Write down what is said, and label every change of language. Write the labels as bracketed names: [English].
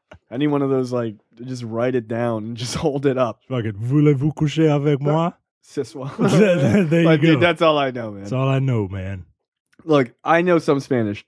[English] Any one of those, like, just write it down and just hold it up. [French] Fucking voulez-vous coucher avec moi? [English] There you go. Dude, that's all I know, man. That's all I know, man. Look, I know some Spanish.